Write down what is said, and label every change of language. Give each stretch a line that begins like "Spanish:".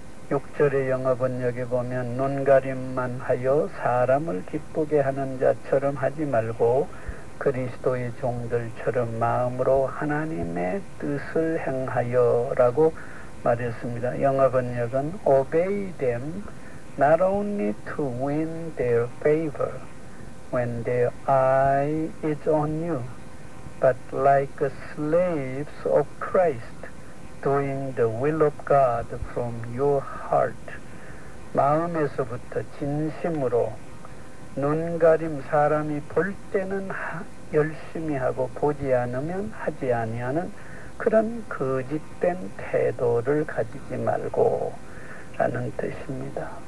Korean: 6절의 영어번역에 보면 눈 가림만 하여 사람을 기쁘게 하는 자처럼 하지 말고 그리스도의 종들처럼 마음으로 하나님의 뜻을 행하여라고 말했습니다. 영어번역은
English: Obey them not only to win their favor when their eye is on you, but like slaves of Christ, doing the will of God from your heart.
Korean: 마음에서부터 진심으로 눈 가림, 사람이 볼 때는 열심히 하고 보지 않으면 하지 아니하는 그런 거짓된 태도를 가지지 말고 라는 뜻입니다.